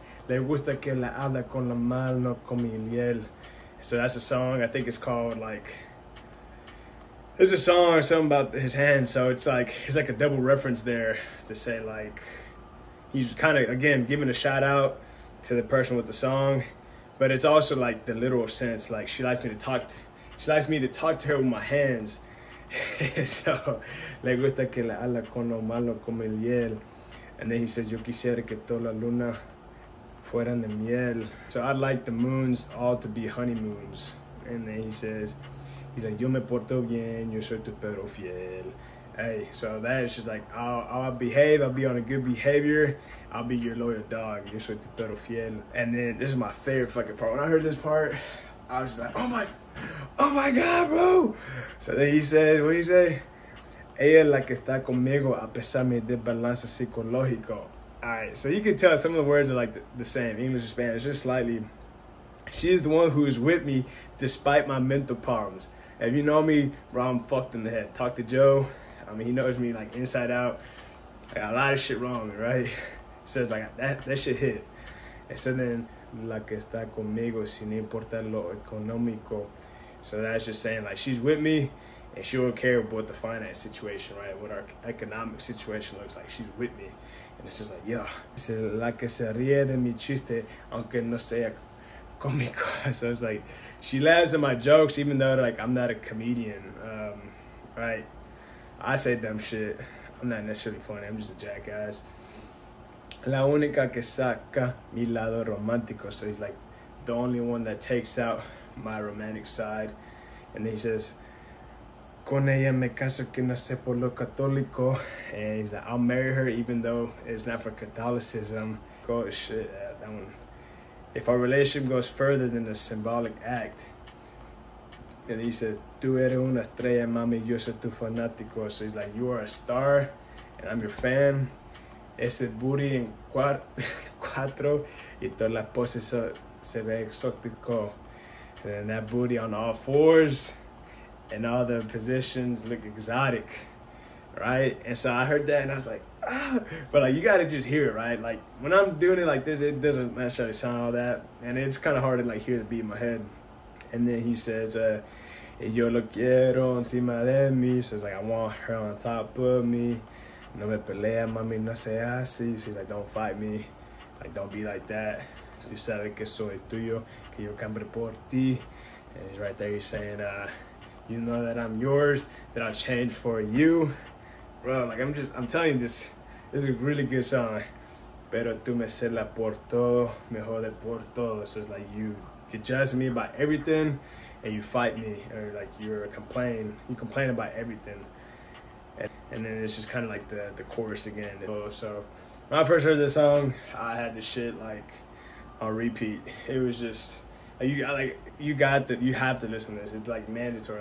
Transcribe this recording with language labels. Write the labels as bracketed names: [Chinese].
[Spanish] Le gusta que la habla con la mal, no con mi hiel. [English] So that's a song. I think it's called, like, there's a song or something about his hand. So it's like a double reference there to say, like, he's kind of, again, giving a shout out to the person with the song, but it's also like the literal sense, like she likes me to talk to her with my hands. [Spanish] So le gusta que la habla con lo malo como el hiel. [English] And then he says, [Spanish] yo quisiera que toda la luna fueran de miel. [English] So I'd like the moons all to be honeymoons. And then he says, he's like, [Spanish] yo me porto bien, yo soy tu perro fiel. [English] Hey, so that is just like, I'll behave, I'll be on a good behavior, I'll be your loyal dog, [Spanish] yo soy tu perro fiel. [English] And then this is my favorite fucking part. When I heard this part, I was just like, oh my God, bro. So then he said, what do you say? [Spanish] Ella la que está conmigo a pesar de mi desbalance psicológico. [English] All right, so you can tell some of the words are like the same, English and Spanish, just slightly. She is the one who is with me despite my mental problems. If you know me, bro, I'm fucked in the head. Talk to Joe. I mean, he knows me like inside out. I got a lot of shit wrong with me, right? So it's like, that shit hit. And so then, [Spanish] la que está conmigo sin importar lo económico. [English] So that's just saying like, she's with me. And she won't care about the finance situation, right? What our economic situation looks like. She's with me. And it's just like, yeah. He said, [Spanish] la que se ríe de mi chiste, aunque no sea cómico. [English] So it's like, she laughs at my jokes, even though, like, I'm not a comedian. Right? I say dumb shit. I'm not necessarily funny. I'm just a jackass. [Spanish] La única que saca mi lado romántico. [English] So he's like, the only one that takes out my romantic side. And then he says, [Spanish] con ella me caso que no sé por lo católico. [English] And he's like, I'll marry her even though it's not for Catholicism. Oh shit, that one. If our relationship goes further than a symbolic act. And he says, [Spanish] tú eres una estrella, mami, yo soy tu fanático. [English] So he's like, you are a star and I'm your fan. [Spanish] Ese booty en cuatro y todas las poses se ve exótico. [English] And then that booty on all fours. And all the positions look exotic, right? And so I heard that and I was like, ah. But like, you gotta just hear it, right? Like, when I'm doing it like this, it doesn't necessarily sound all that. And it's kind of hard to like hear the beat in my head. And then he says, [Spanish] yo lo quiero encima de mí. [English] So it's like, I want her on top of me. [Spanish] No me pelea, mami, no se hace. [English] So he's like, don't fight me. Like, don't be like that. [Spanish] Tú sabes que soy tuyo, que yo cambio por ti. [English] And he's right there, he's saying, you know that I'm yours, that I'll change for you. Bro, like, I'm telling you, this is a really good song. [Spanish] Pero tú me celas por todo, me jode por todo. [English] So it's like, you could judge me about everything, and you fight me, or like, you complain about everything. And then it's just kind of like the chorus again. So when I first heard this song, I had this shit like on repeat. It was just, you have to listen to this. It's like mandatory.